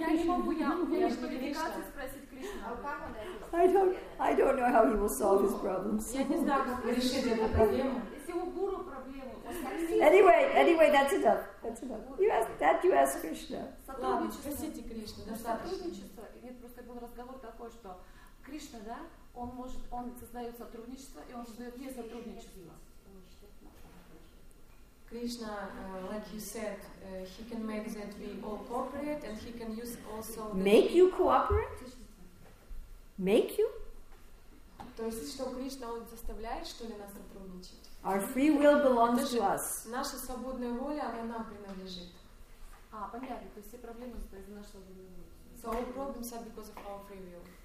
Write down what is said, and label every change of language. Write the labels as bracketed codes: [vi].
[ru] Я не могу, я не могу спросить Кришну. [en] I don't know how he will solve his problems. [ru] Я не знаю, как решит эту проблему. Если у гуру проблему, [en] Anyway, that's enough. That's enough. You ask Krishna. [ru] Сотрудничество. Спросите Кришну. Сотрудничество. И нет, просто был разговор такой, что Кришна, да, он может, он создает сотрудничество, и он создает не сотрудничество. [en] Krishna, like you said, he can make that we all cooperate, and he can use also make you cooperate. Make you? [ru] То есть что Кришна он заставляет что ли нас сотрудничать? [en] Our free will belongs to us. [ru] Наша свободная воля она нам принадлежит. А понятно, то есть все проблемы из нашего воли. [en] So all problems are because of our free will.